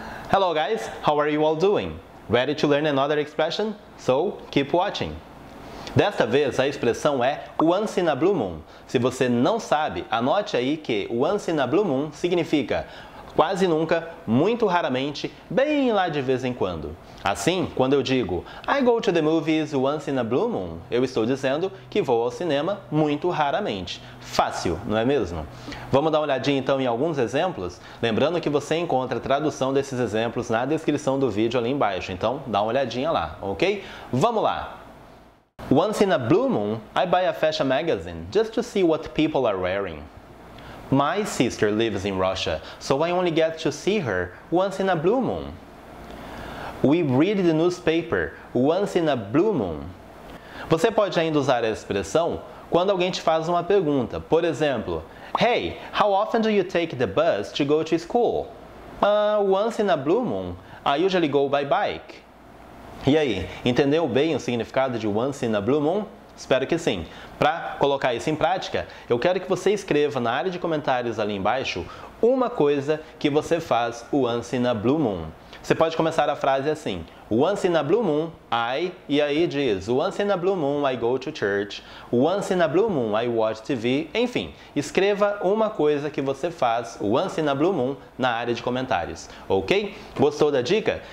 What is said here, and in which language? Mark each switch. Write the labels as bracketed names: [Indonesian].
[English] Hello guys, how are you all doing? Ready to learn another expression? So, keep watching! [Portuguese] Desta vez, a expressão é once in a blue moon. Se você não sabe, anote aí que once in a blue moon significa quase nunca, muito raramente, bem lá de vez em quando. Assim, quando eu digo [English] I go to the movies once in a blue moon, [Portuguese] eu estou dizendo que vou ao cinema muito raramente. Fácil, não é mesmo? Vamos dar uma olhadinha então em alguns exemplos? Lembrando que você encontra a tradução desses exemplos na descrição do vídeo ali embaixo, então dá uma olhadinha lá, ok? Vamos lá! [English] Once in a blue moon, I buy a fashion magazine just to see what people are wearing. My sister lives in Russia, so I only get to see her once in a blue moon. We read the newspaper once in a blue moon. [Portuguese] Você pode ainda usar a expressão quando alguém te faz uma pergunta. Por exemplo, [English] hey, how often do you take the bus to go to school? Once in a blue moon, I usually go by bike. [Portuguese] E aí, entendeu bem o significado de once in a blue moon? Espero que sim. Para colocar isso em prática, eu quero que você escreva na área de comentários ali embaixo uma coisa que você faz once in a blue moon. Você pode começar a frase assim, [English] once in a blue moon, I, e aí diz, once in a blue moon, I go to church, once in a blue moon, I watch TV, [Portuguese] enfim, escreva uma coisa que você faz once in a blue moon na área de comentários, ok? Gostou da dica?